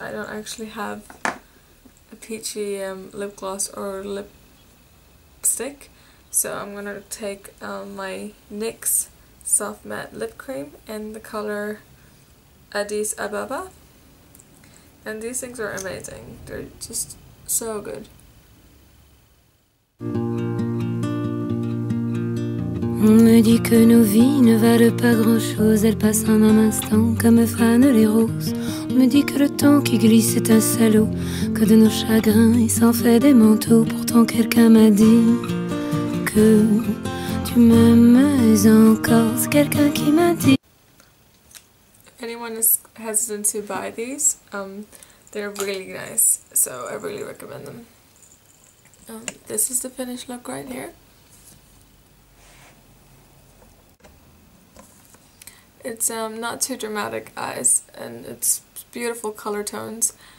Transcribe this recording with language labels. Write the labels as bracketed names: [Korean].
[English] I don't actually have peachy lip gloss or lipstick, so I'm gonna take my NYX Soft Matte Lip Cream in the color Addis Ababa, and these things are amazing, they're just so good. [French] On me dit que nos vies ne valent pas grand chose, elles passent en un instant comme frâne les roses. On me dit que le temps qui glisse est un salaud, que de nos chagrins il s'en fait des manteaux. Pourtant quelqu'un m'a dit que tu m'aimes encore. C'est quelqu'un qui m'a dit. [English] If anyone is hesitant to buy these, they're really nice, so I really recommend them. This is the finished look right here. It's not too dramatic eyes, and it's beautiful color tones.